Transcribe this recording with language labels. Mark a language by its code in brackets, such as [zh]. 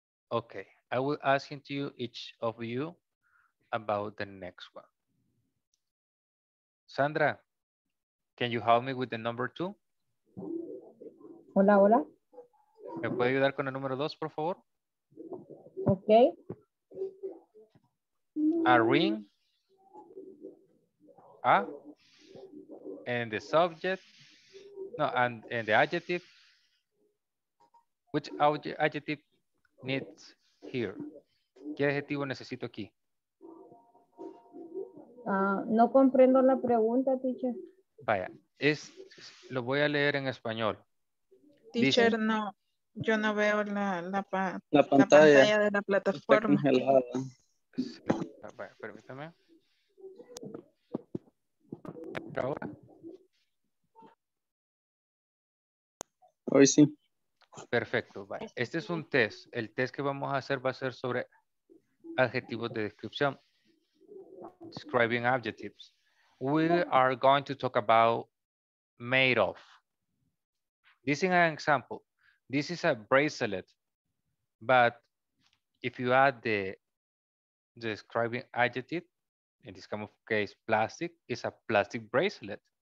[en] Okay, I will ask to you, each of you, about the next one. Sandra, can you help me with the number two? [es] Hola, hola. ¿Me puede ayudar con el número dos, por favor? [en] Okay. A ring. A. And the subject. No, and the adjective. Which adjective needs here? [es] ¿Qué adjetivo necesito aquí? No comprendo la pregunta, teacher. Vaya, es, lo voy a leer en español. Teacher, dice, no, yo no veo la pantalla de la plataforma. Está congelada. Vaya, permítame. ¿Ahora? Hoy sí. Perfecto, vaya. Este es un test. El test que vamos a hacer va a ser sobre adjetivos de descripción. [en] Describing adjectives. We are going to talk about made of. This is an example. This is a bracelet, but if you add the describing adjective, in this kind of case, plastic, it's a plastic bracelet.